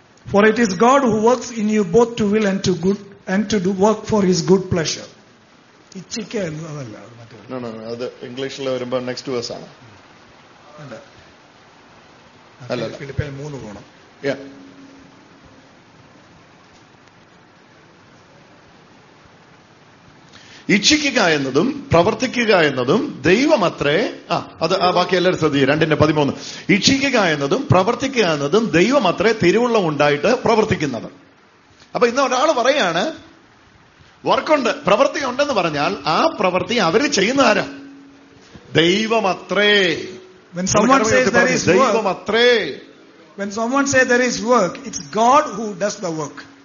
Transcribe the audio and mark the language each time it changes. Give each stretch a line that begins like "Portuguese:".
English: For it is God who works in you both to will and to good and to do work for his good pleasure.
Malayalam: ഇച്ഛിക്ക എന്നതല്ല, അത് ഇംഗ്ലീഷിൽ വരുമ്പോ
English: next verse
Malayalam: ആണ്. Philippian 3 പോണം. ഇച്ഛിക്കുക എന്നതും പ്രവർത്തിക്കുക എന്നതും ദൈവം അത്രേ. അത് ബാക്കി എല്ലാവരും ശ്രദ്ധിക്കുക. 2:13. ഇച്ഛിക്കുക എന്നതും പ്രവർത്തിക്കുക എന്നതും ദൈവം അത്രേ തിരുവുള്ളം ഉണ്ടായിട്ട് പ്രവർത്തിക്കുന്നത്. അപ്പൊ ഇന്ന് ഒരാൾ പറയാണ് വർക്കുണ്ട്, പ്രവൃത്തി ഉണ്ടെന്ന് പറഞ്ഞാൽ ആ പ്രവൃത്തി അവര് ചെയ്യുന്ന ആരാ? ദൈവമത്രേ.
English: When someone says there is work, it's God who does the work.